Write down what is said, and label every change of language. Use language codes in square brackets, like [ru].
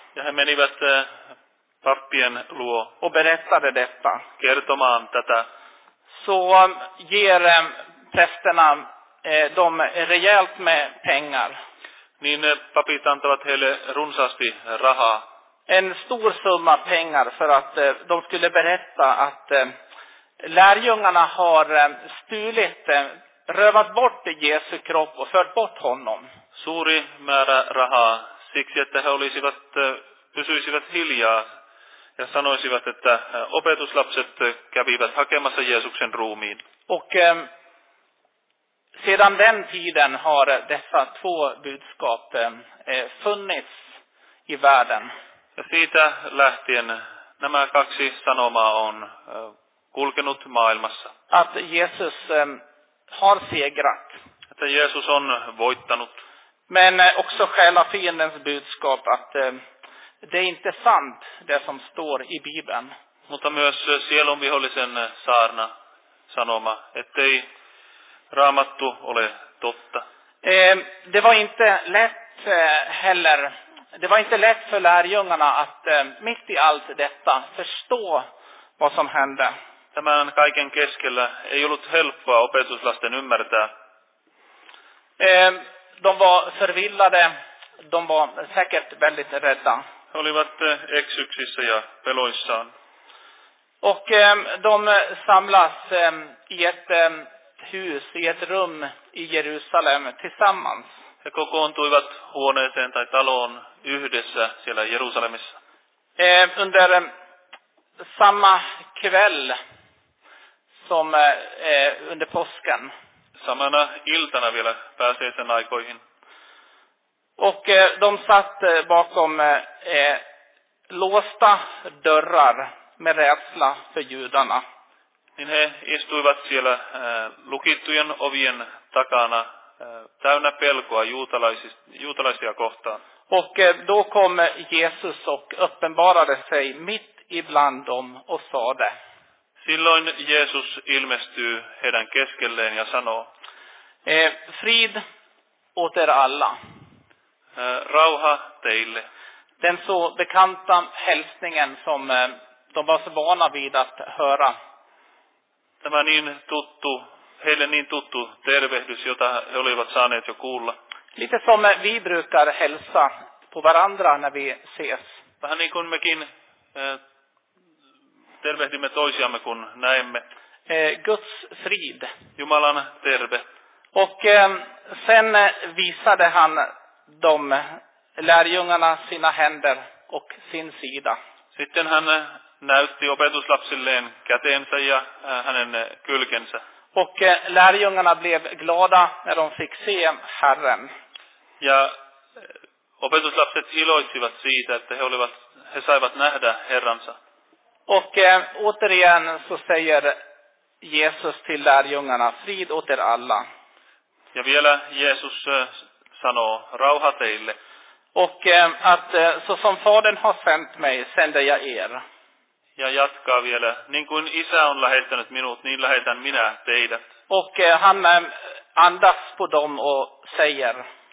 [fi] Ja he menivät pappien luo. [sv] Och berättade detta. [fi] Kertomaan tätä. [sv] Så ger prästerna dem rejält med pengar. [fi] Niin papit antavat heille runsaasti rahaa. [sv] En stor summa pengar för att de skulle berätta att lärjungarna har stulit, rövat bort Jesu kropp och fört bort honom. [fi] Suuri määrä rahaa siksi, että he pysyisivät hiljaa ja sanoisivat, että opetuslapset kävivät hakemassa Jeesuksen ruumiin. [sv] Och sedan den tiden har dessa två budskap funnits i världen. [fi] Ja siitä lähtien nämä kaksi sanomaa on kulkenut maailmassa. [sv] Att Jesus har segrat. Att [fi] Jesus on voittanut. [sv] Men också själva fiendens budskap att det är inte sant det som står i Bibeln. [fi] Mutta myös sielunvihollisen saarna sanoma, ettei Raamattu ole totta. [sv] Det var inte lätt heller. Det var inte lätt för lärjungarna att mitt i allt detta förstå vad som hände. [fi] Tämän kaiken keskellä ei ollut helppoa opetuslasten ymmärtää. [sv] De var förvillade. De var säkert väldigt rädda. [fi] He olivat eksyksissä ja peloissaan. [sv] Och de samlas i ett hus, i ett rum i Jerusalem tillsammans. [fi] He kokoontuivat huoneeseen tai taloon yhdessä siellä Jerusalemissa. [sv] Under samma kväll som under påsken. [fi] Samana iltana vielä pääsiäisen aikoihin. [sv] Och de satt bakom låsta dörrar med rädsla för judarna. [fi] Niin he istuivat siellä lukittujen ovien takana täynnä pelkoa juutalaisia kohtaan. [sv] Och då kom Jesus och uppenbarade sig mitt ibland dem och sade. [fi] Silloin Jeesus ilmestyy heidän keskelleen ja sanoo. [sv] Frid åt er alla. [fi] Rauha teille. [sv] Den så bekanta hälsningen som de var så vana vid att höra. [fi] Tämä niin tuttu, heille niin tuttu tervehdys, jota he olivat saaneet jo kuulla. [sv] Lite som vi brukar hälsa på varandra när vi ses. [fi] Vähän niin kuin mekin tervehdimme toisiamme, kun näemme. [sv] Guds frid. [fi] Jumalan terve. [sv] Och sen visade han de lärjungarna sina händer och sin sida. [fi] Sitten han näytti opetuslapsilleen kätensä ja hänen kylkensä. [sv] Och lärjungarna blev glada när de fick se Herren. [fi] Ja opetuslapset iloitsivat siitä, että he saivat nähdä Herransa. [sv] Och återigen så säger Jesus till lärjungarna, frid åt er alla. [fi] Ja vielä Jeesus sanoo, rauha teille. [sv] Och att så som fadern har sänt mig, sänder jag er. [fi] Ja jatkaa vielä, niin kuin isä on lähettänyt minut, niin lähetän minä teidät. [sv] Och han andas på dem och säger.